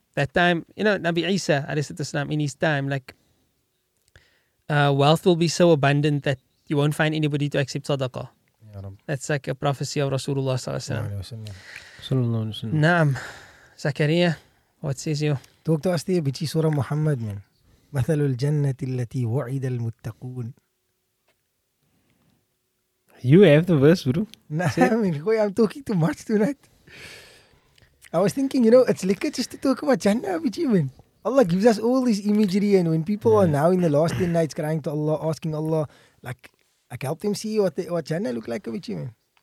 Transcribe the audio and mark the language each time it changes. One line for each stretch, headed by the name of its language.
English: That time, you know, Nabi Isa, السلام, in his time, like, wealth will be so abundant that you won't find anybody to accept sadaqah. That's like a prophecy of Rasulullah SAW. Naam. Zakaria, what says you? Talk to us there, Bichi Surah Muhammad, man.
Arabic: مثل الجنة التي وعد المتقون.
English: You have the verse, bro. Nah, I mean, boy, I'm talking too much tonight. I was thinking, you know, it's like just to talk about Jannah, which even Allah gives us all this imagery, and when people are now in the last 10 nights crying to Allah, asking Allah, like help them see what the, what Jannah look like, which even.